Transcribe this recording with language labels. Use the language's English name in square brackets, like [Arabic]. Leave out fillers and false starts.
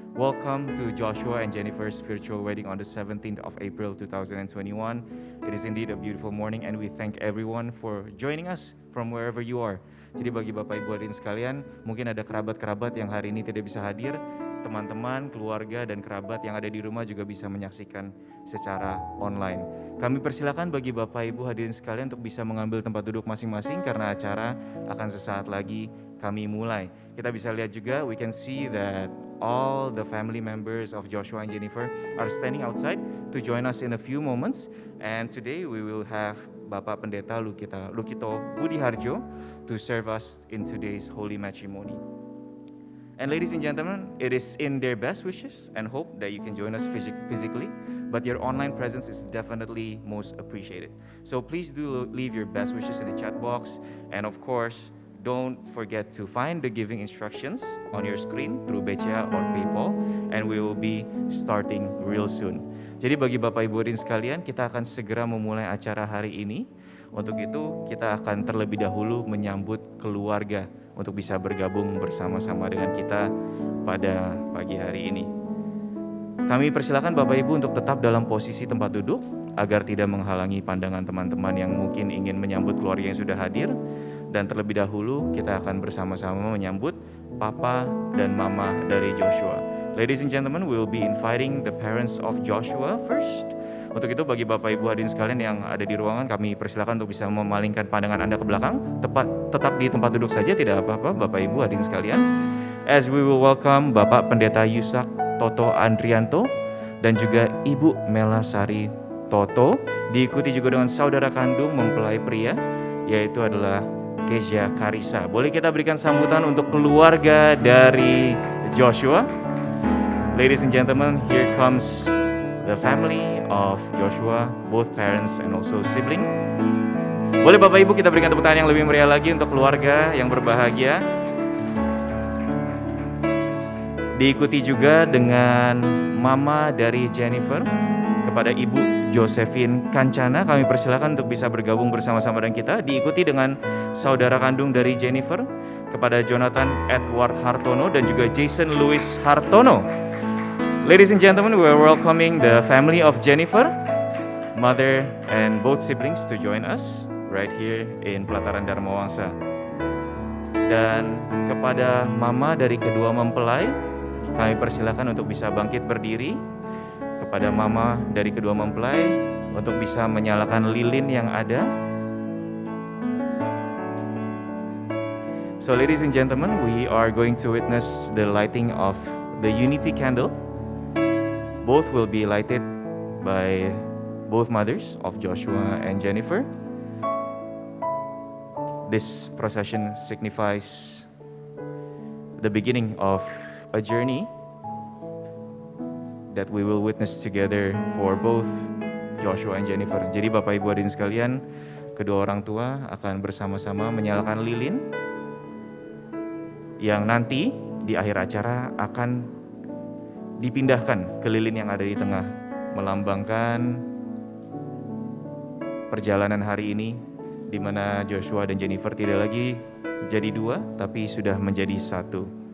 [English] Welcome to Joshua and Jennifer's virtual wedding on the 17th of April 2021. It is indeed a beautiful morning and we thank everyone for joining us from wherever you are. [Indonesian] Jadi bagi Bapak Ibu hadirin sekalian, mungkin ada kerabat-kerabat yang hari ini tidak bisa hadir, teman-teman, keluarga, dan kerabat yang ada di rumah juga bisa menyaksikan secara online. Kami persilakan bagi Bapak Ibu hadirin sekalian untuk bisa mengambil tempat duduk masing-masing karena acara akan sesaat lagi kami mulai. Kita bisa lihat juga, [English] we can see that all the family members of Joshua and Jennifer are standing outside to join us in a few moments. And today we will have Bapak Pendeta Lukito Budi Harjo to serve us in today's holy matrimony. And ladies and gentlemen, it is in their best wishes and hope that you can join us physically, but your online presence is definitely most appreciated. So please do leave your best wishes in the chat box. And of course, don't forget to find the giving instructions on your screen through BCA or PayPal, and we will be starting real soon. [Indonesian] Jadi bagi Bapak Ibu hadirin sekalian, kita akan segera memulai acara hari ini. Untuk itu, kita akan terlebih dahulu menyambut keluarga untuk bisa bergabung bersama-sama dengan kita pada pagi hari ini. Kami persilakan Bapak Ibu untuk tetap dalam posisi tempat duduk agar tidak menghalangi pandangan teman-teman yang mungkin ingin menyambut keluarga yang sudah hadir. Dan terlebih dahulu kita akan bersama-sama menyambut Papa dan Mama dari Joshua. [English] Ladies and gentlemen, we will be inviting the parents of Joshua first. [Indonesian] Untuk itu bagi Bapak Ibu hadirin sekalian yang ada di ruangan, kami persilakan untuk bisa memalingkan pandangan Anda ke belakang, tetap di tempat duduk saja, tidak apa-apa Bapak Ibu hadirin sekalian. [English] As we will welcome [Indonesian] Bapak Pendeta Yusak Toto Andrianto dan juga Ibu Mela Sari Toto, diikuti juga dengan saudara kandung mempelai pria, yaitu adalah Kezia Karisa. Boleh kita berikan sambutan untuk keluarga dari Joshua? [English] Ladies and gentlemen, here comes the family of Joshua, both parents and also sibling. [Indonesian] Boleh Bapak Ibu kita berikan tepuk tangan yang lebih meriah lagi untuk keluarga yang berbahagia. Diikuti juga dengan mama dari Jennifer, kepada Ibu Josephine Kancana, kami persilakan untuk bisa bergabung bersama-sama dengan kita. Diikuti dengan saudara kandung dari Jennifer, kepada Jonathan Edward Hartono dan juga Jason Louis Hartono. [English] Ladies and gentlemen, we are welcoming the family of Jennifer, mother and both siblings to join us right here in Pelataran Dharma Wangsa. [Indonesian] Dan kepada mama dari kedua mempelai, kami persilakan untuk bisa bangkit berdiri. Kepada mama dari kedua mempelai untuk bisa menyalakan lilin yang ada. [English] So ladies and gentlemen, we are going to witness the lighting of the unity candle. Both will be lighted by both mothers of Joshua and Jennifer. This procession signifies the beginning of a journey that we will witness together for both Joshua and Jennifer. [Indonesian] Jadi Bapak Ibu hadirin sekalian, kedua orang tua akan bersama-sama menyalakan lilin yang nanti di akhir acara akan dipindahkan ke lilin yang ada di tengah, melambangkan perjalanan hari ini di mana Joshua dan Jennifer tidak lagi jadi dua tapi sudah menjadi satu.